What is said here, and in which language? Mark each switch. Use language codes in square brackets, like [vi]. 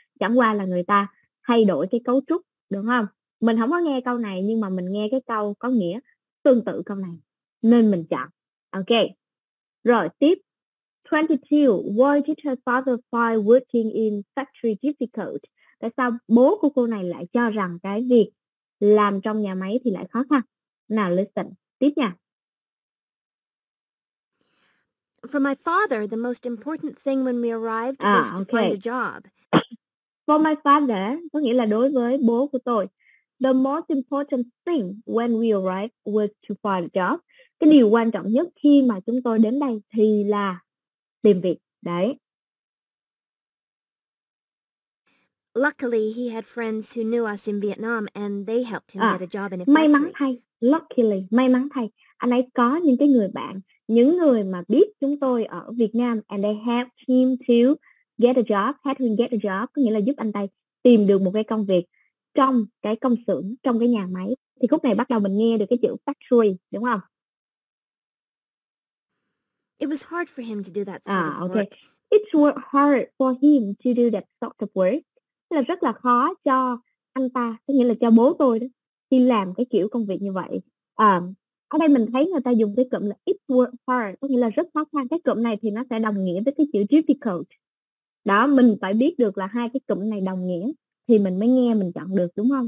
[vi] Chẳng qua là người ta thay đổi cái cấu trúc, đúng không? Mình không có nghe câu này, nhưng mà mình nghe cái câu có nghĩa tương tự câu này, nên mình chọn. [en] Ok. [vi] Rồi, tiếp. [en] 22. Why did her father find working in factory difficult? [vi] Tại sao bố của cô này lại cho rằng cái việc làm trong nhà máy thì lại khó khăn? Nào, listen. Tiếp nha. [en] For my father, the most important thing when we arrived was to find a job. For my father, [vi] có nghĩa là đối với bố của tôi, [en] the most important thing when we arrived was to find a job. [vi] Cái điều quan trọng nhất khi mà chúng tôi đến đây thì là tìm việc. Đấy. [en] Luckily, he had friends who knew us in Vietnam and they helped him get a job in a factory. [vi] May mắn thay. Luckily, may mắn thay. Anh ấy có những cái người bạn, những người mà biết chúng tôi ở Việt Nam, [en] and they helped him to get a job, [vi] had him get a job, có nghĩa là giúp anh ta tìm được một cái công việc trong cái công xưởng, trong cái nhà máy. Thì khúc này bắt đầu mình nghe được cái chữ factory, đúng không? [en] It was hard for him to do that sort It was hard for him to do that sort of work. [vi] Là rất là khó cho anh ta, có nghĩa là cho bố tôi đó, khi làm cái kiểu công việc như vậy. Ở đây mình thấy người ta dùng cái cụm là [en] it was hard, [vi] có nghĩa là rất khó khăn. Cái cụm này thì nó sẽ đồng nghĩa với cái chữ difficult. Đó, mình phải biết được là hai cái cụm này đồng nghĩa thì mình mới nghe, mình chọn được, đúng không?